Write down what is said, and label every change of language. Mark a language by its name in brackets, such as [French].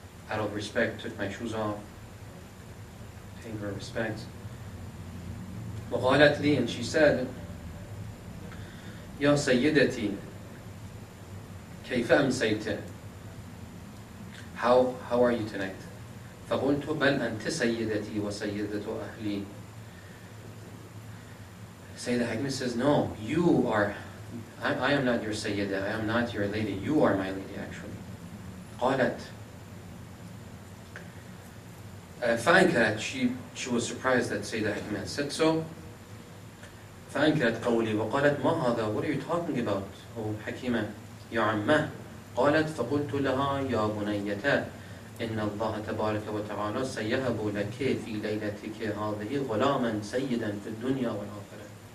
[English] out of respect, took my shoes off, paying her respects. [Arabic] وقالت لي, [English] and she said, [Arabic] يا سيدتي كيف أمسيت؟ [English] How are you tonight? [Arabic] فقلت بل أنت سيدتي وسيدة أهلي. [English] Sayyidah Hakima says, no, you are, I am not your Sayyidah, I am not your lady, you are my lady actually. [Arabic] قالت فأنكرت, [English] she was surprised that Sayyidah Hakima said so. [Arabic] فأنكرت قولي وقالت ما هذا, [English] what are you talking about, oh Hakima, [Arabic] يا عمه. قالت فقلت لها يا بنيتا إن الله تبارك وتعالى سيهب لك في ليلتك هذه غلاما سيدا في الدنيا والآخرة.